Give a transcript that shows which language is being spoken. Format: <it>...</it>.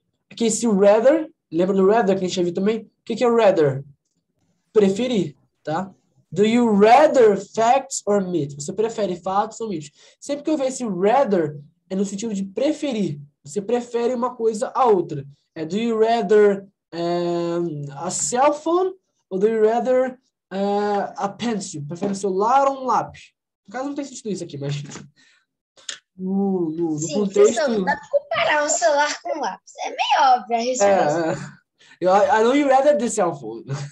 <pt>Aqui esse rather, lembra do rather que a gente já viu também? O que é rather? Preferir, tá?</pt> <en>Do you rather facts or myths?</en> <pt>Você prefere fatos ou mitos? Sempre que eu ver esse rather, é no sentido de preferir. Você prefere uma coisa à outra.</pt> <en>É do you rather a cell phone ou do you rather a pencil?</en> <pt>Prefere o celular ou um lápis? No caso, não tem sentido isso aqui, mas no Sim, questão, não contexto. dá para comparar um celular com um lápis. É meio óbvio a resposta.</pt> <en>É, I know you rather the cell phone.</en>